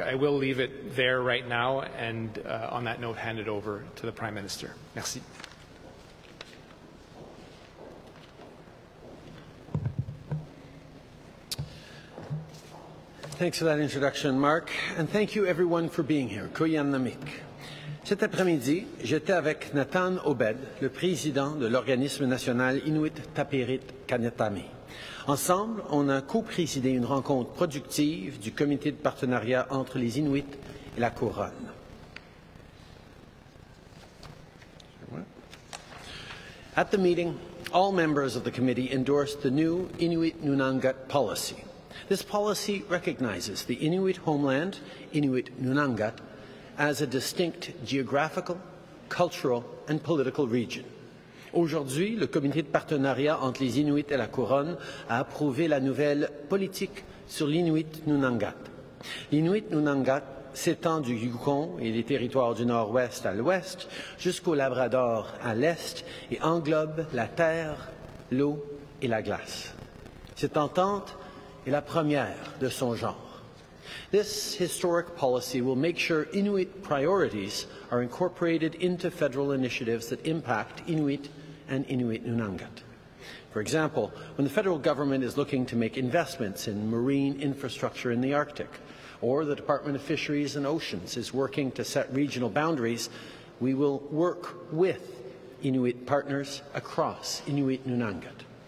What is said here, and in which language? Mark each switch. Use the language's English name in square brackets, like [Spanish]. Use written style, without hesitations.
[English] I will leave it there right now, and on that note, hand it over to the Prime Minister. [French] Merci. [English] Thanks for that introduction, Mark, and thank you everyone for being here. [Inuktitut] Koyan Namik. [French] Cet après-midi, j'étais avec Natan Obed, le président de l'organisme national Inuit Taprit Kanatami. Ensemble, on a co-présidé une rencontre productive du Comité de partenariat entre les Inuits et la Couronne. [English] At the meeting, all members of the committee endorsed the new Inuit Nunangat policy. This policy recognizes the Inuit homeland, Inuit Nunangat, as a distinct geographical, cultural, and political region. [French] Aujourd'hui, le Comité de partenariat entre les Inuits et la Couronne a approuvé la nouvelle politique sur l'Inuit Nunangat. L'Inuit Nunangat s'étend du Yukon et des territoires du Nord-Ouest à l'Ouest jusqu'au Labrador à l'Est et englobe la terre, l'eau et la glace. Cette entente est la première de son genre. [English] This historic policy will make sure Inuit priorities are incorporated into federal initiatives that impact Inuit and Inuit Nunangat. For example, when the federal government is looking to make investments in marine infrastructure in the Arctic, or the Department of Fisheries and Oceans is working to set regional boundaries, we will work with Inuit partners across Inuit Nunangat.